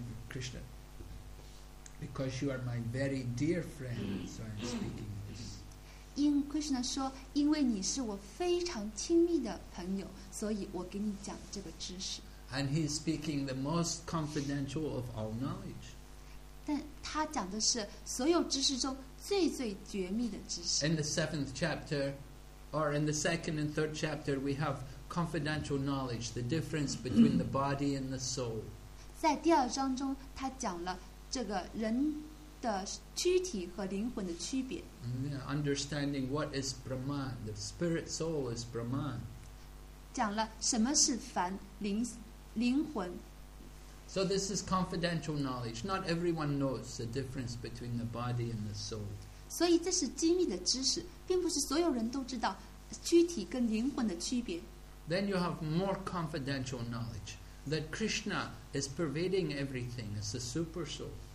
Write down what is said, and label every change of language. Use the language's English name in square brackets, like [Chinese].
[English] Krishna, because you are my very dear friend, so I'm speaking. [Chinese] Krishna 说，因为你是我非常亲密的朋友，所以我给你讲这个知识。 [English] And he's speaking the most confidential of all knowledge. [Chinese] 但他讲的是所有知识中最最绝密的知识。 [English] In the seventh chapter, or in the second and third chapter, we have confidential knowledge, the difference between the body and the soul. [Chinese] 在第二章中，他讲了这个人的躯体和灵魂的区别。 [English] Understanding what is Brahman, the spirit soul is Brahman. [Chinese] 讲了什么是凡灵魂。 [English] So this is confidential knowledge. Not everyone knows the difference between the body and the soul. [Chinese] 所以这是机密的知识，并不是所有人都知道躯体跟灵魂的区别。 [English] Then you have more confidential knowledge that Krishna is pervading everything as the super soul.